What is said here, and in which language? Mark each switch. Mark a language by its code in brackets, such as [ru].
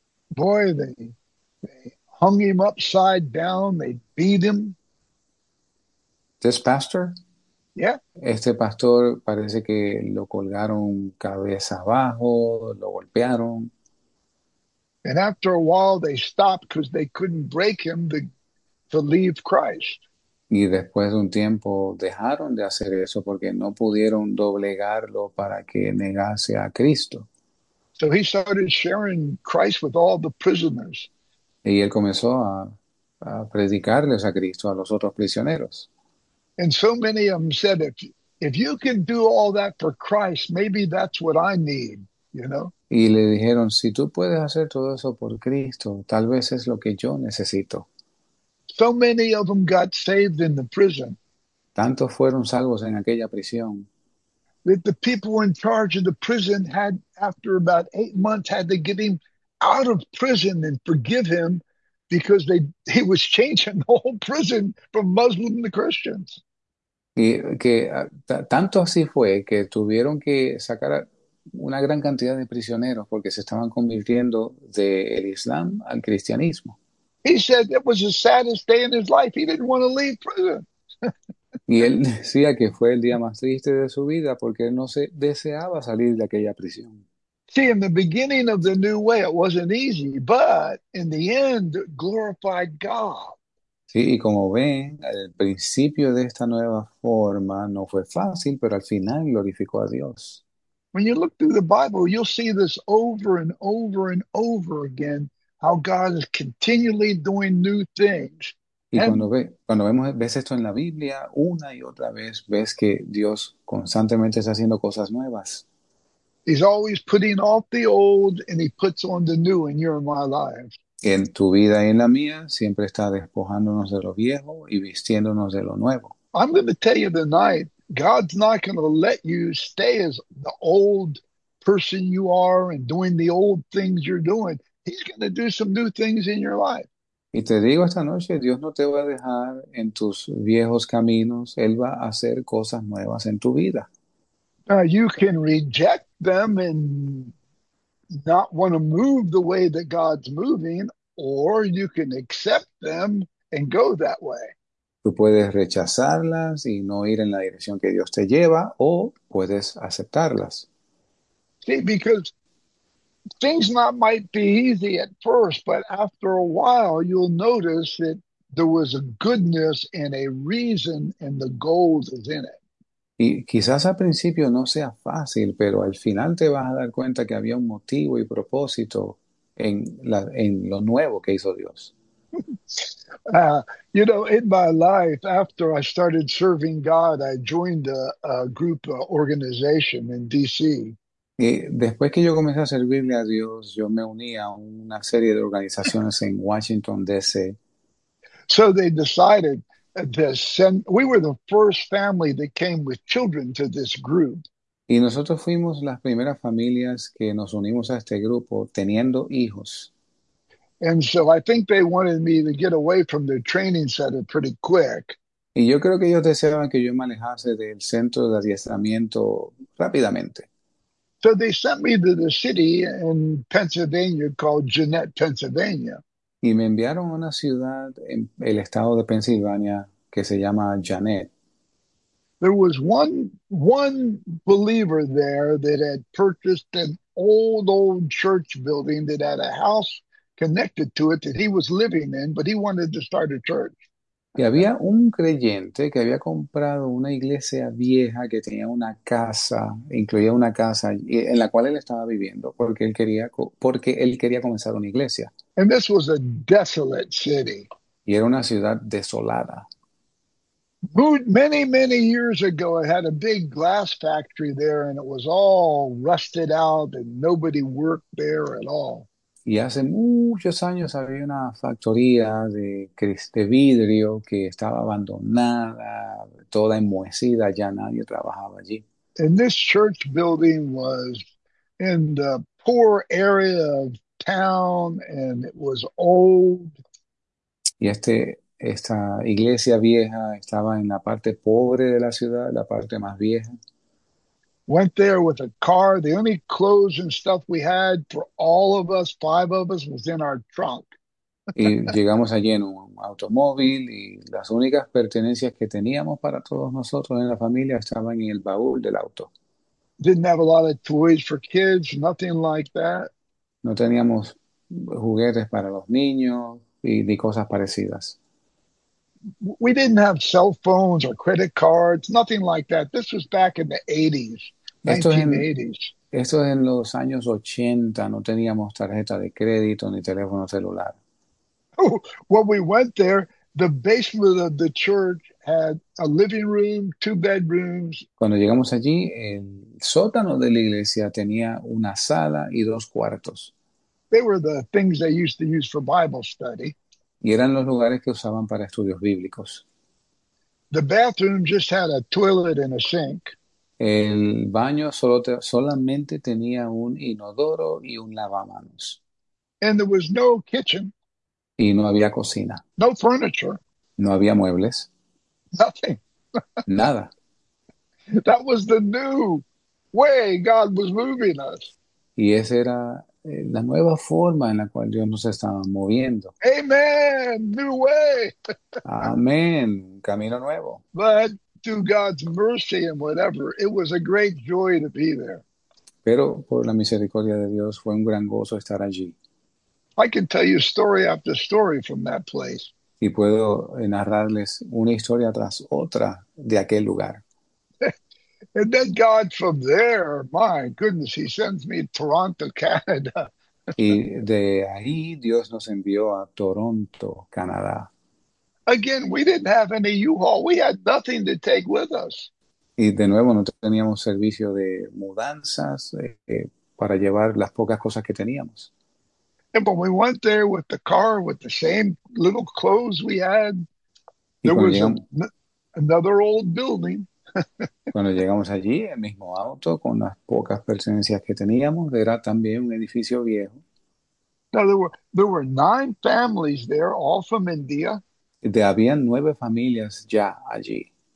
[en] Boy, they hung him upside down, they beat him. This pastor, Yeah. [es] este pastor parece que lo colgaron cabeza abajo, lo golpearon. [en] And after a while, they stopped because they couldn't break him to leave Christ. [es] Y después de un tiempo dejaron de hacer eso porque no pudieron doblegarlo para que negase a Cristo. [en] So he started sharing Christ with all the prisoners. [es] Y él comenzó a predicarles a Cristo a los otros prisioneros. [en] And so many of them said, if you can do all that for Christ, maybe that's what I need, you know? [es] Y le dijeron, si tú puedes hacer todo eso por Cristo, tal vez es lo que yo necesito. [en] So many of them got saved in the prison. [es] Tantos fueron salvos en aquella prisión. [en] That the people in charge of the prison had, after about 8 months, had to get him out of prison and forgive him because he was changing the whole prison from Muslim to Christians. [es] Y que tanto así fue que tuvieron que sacar a una gran cantidad de prisioneros porque se estaban convirtiendo del Islam al cristianismo. [en] He said it was the saddest day in his life. He didn't want to leave prison. [es] Y él decía que fue el día más triste de su vida porque no se deseaba salir de aquella prisión. [en] See, in the beginning of the new way, it wasn't easy, but in the end, it glorified God. [es] Sí, y como ven, al principio de esta nueva forma no fue fácil, pero al final glorificó a Dios. [en] When you look through the Bible, you'll see this over and over and over again, how God is continually doing new things. [es] Y cuando vemos, ves esto en la Biblia, una y otra vez ves que Dios constantemente está haciendo cosas nuevas. [en] He's always putting off the old and he puts on the new in your and my lives. [es] En tu vida y en la mía, siempre está despojándonos de lo viejo y vistiéndonos de lo nuevo. [en] I'm going to tell you tonight, God's not going to let you stay as the old person you are and doing the old things you're doing. He's going to do some new things in your life. [es] Y te digo esta noche, Dios no te va a dejar en tus viejos caminos, Él va a hacer cosas nuevas en tu vida. [en] You can reject them and not want to move the way that God's moving, or you can accept them and go that way. [es] Tú puedes rechazarlas y no ir en la dirección que Dios te lleva, o puedes aceptarlas. [en] See, because things might be easy at first, but after a while, you'll notice that there was a goodness and a reason, and the gold is in it. [es] Y quizás al principio no sea fácil, pero al final te vas a dar cuenta que había un motivo y propósito en lo nuevo que hizo Dios. [en] In my life, after I started serving God, I joined a group organization in D.C. [es] Y después que yo comencé a servirle a Dios, yo me uní a una serie de organizaciones en Washington, D.C. [en] So they decided to send, we were the first family that came with children to this group. [es] Y nosotros fuimos las primeras familias que nos unimos a este grupo teniendo hijos. [en] And so I think they wanted me to get away from their training center pretty quick. [es] Y yo creo que ellos deseaban que yo me alejase del centro de adiestramiento rápidamente. [en] So they sent me to the city in Pennsylvania called Gwinnett, Pennsylvania. [es] Y me enviaron a una ciudad en el estado de Pensilvania que se llama Janet. [en] There was one believer there that had purchased an old church building that had a house connected to it that he was living in, but he wanted to start a church. [es] Y había un creyente que había comprado una iglesia vieja que tenía una casa, incluía una casa en la cual él estaba viviendo, porque él quería comenzar una iglesia. [en] And this was a desolate city. [es] Y era una ciudad desolada. [en] Moved many years ago, it had a big glass factory there, and it was all rusted out, and nobody worked there at all. [es] Y hace muchos años había una factoría de vidrio que estaba abandonada, toda enmohecida, ya nadie trabajaba allí. [en] And this church building was in the poor area of town, and it was old. [es] Y esta iglesia vieja estaba en la parte pobre de la ciudad, la parte más vieja. [en] Went there with a car. The only clothes and stuff we had for all of us, five of us, was in our trunk. [es] Y llegamos allí en un automóvil y las únicas pertenencias que teníamos para todos nosotros en la familia estaban en el baúl del auto. [en] Didn't have a lot of toys for kids, nothing like that. [es] No teníamos juguetes para los niños y ni cosas parecidas. [en] We didn't have cell phones or credit cards, nothing like that. This was back in the 80s, [es] Esto es en [en] 1980s. [es] los años 80, no teníamos tarjeta de crédito ni teléfono celular. [en] Oh, when we went there, the basement of the church had a living room, two bedrooms. [es] Cuando llegamos allí, el sótano de la iglesia tenía una sala y dos cuartos. [en] They were the things they used to use for Bible study. [es] Y eran los lugares que usaban para estudios bíblicos. [en] The bathroom just had a toilet and a sink. [es] El baño solamente tenía un inodoro y un lavamanos. [en] And there was no kitchen, [es] Y no había cocina. [en] no furniture, [es] No había muebles. [en] nothing. [es] Nada. [en] That was the new way God was moving us. [es] Y esa era la nueva forma en la cual Dios nos estaba moviendo. [en] Amen, new way. [es] Amén. Camino nuevo. [en] But through God's mercy and whatever, it was a great joy to be there. [es] Pero por la misericordia de Dios fue un gran gozo estar allí. [en] I can tell you story after story from that place. [es] Y puedo narrarles una historia tras otra de aquel lugar. [en] And then God from there, my goodness, he sends me to Toronto, Canada. [es] Y de ahí Dios nos envió a Toronto, Canadá. [en] Again, we didn't have any U-Haul. We had nothing to take with us. [es] Y de nuevo no teníamos servicio de mudanzas para llevar las pocas cosas que teníamos. [en] And when we went there with the car, with the same little clothes we had, [es] Y [en] there was another old building. [es] cuando llegamos allí, el mismo auto con las pocas pertenencias que teníamos, era también un edificio viejo. [en] Now, there were nine families there, all from India. [es] Habían nueve familias ya allí.